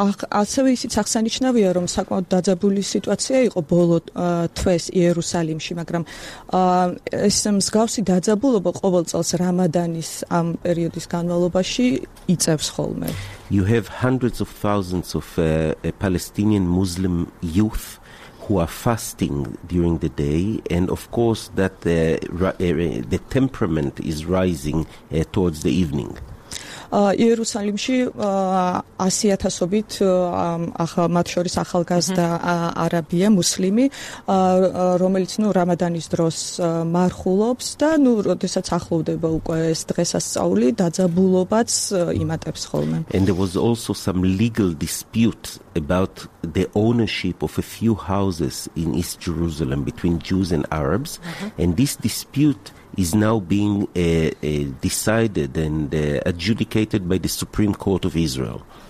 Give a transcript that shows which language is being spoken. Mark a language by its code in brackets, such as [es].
[ka] ასევე ისიც აღსანიშნავია, რომ საკმაოდ დაძაბული სიტუაცია იყო ბოლო თვეს იერუსალიმში, მაგრამ ეს მსგავსი დაძაბულობა ყოველ წელს რამადანის ამ პერიოდის განმავლობაში იწევს ხოლმე. [en] You have hundreds of thousands of Palestinian Muslim youth who are fasting during the day, and of course that the temperament is rising towards the evening. [ka] იერუსალიმში 100,000-ობით ახალ მათ შორის ახალგაზრდა არაბია მუსლიმი რომელიც ნუ რამადანის დროს მარხულობს და ნუ როდესაც ახლოვდება უკვე ეს დღესასწაული დაძაბულობაც იმატებს ხოლმე. [en] And there was also some legal dispute about the ownership of a few houses in East Jerusalem between Jews and Arabs and this dispute is now being decided and adjudicated by the Supreme Court of Israel.